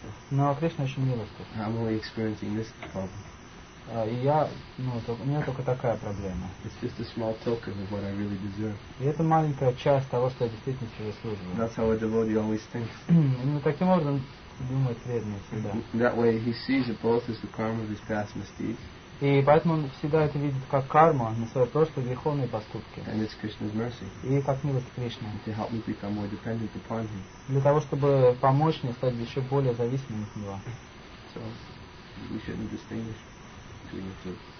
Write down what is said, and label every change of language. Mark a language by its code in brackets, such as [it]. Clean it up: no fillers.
[ru] Но Кришна очень милостив. [en] I'm only experiencing this problem. [ru] У меня только такая проблема. [en] It's just a small token of what I really deserve. [ru] И это маленькая часть того, что я действительно заслуживаю. [en] That's how a devotee always thinks. [ru] Таким образом думает преданный всегда. [en] That way he sees it both as the karma of his past misdeeds. [ru] И поэтому он всегда это видит как карма на свои прошлые греховные поступки. [en] And it's Krishna's mercy. [ru] И как милость Кришны. [en] To help me become more dependent upon him. [ru] Для того, чтобы помочь мне стать еще более зависимым от него. [en] So we shouldn't distinguish between the two.